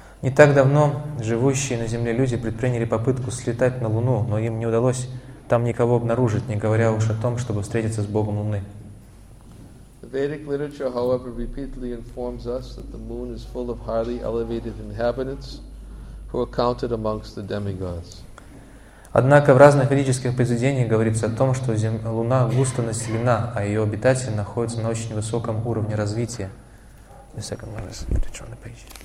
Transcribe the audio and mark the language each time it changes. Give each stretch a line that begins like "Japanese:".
Russian: Не так давно живущие на Земле люди предприняли попытку слетать на Луну, но им не удалось там никого обнаружить, не говоря уж о том, чтобы встретиться с Богом Луны.
English: The Vedic literature, however, repeatedly informs us that the moon is full of highly elevated inhabitants who are counted amongst the demigods.
Russian: Однако в разных ведических произведениях говорится о том, что Луна густо населена, а ее обитатели находятся на очень высоком уровне развития.
English: The second one is literature on the page.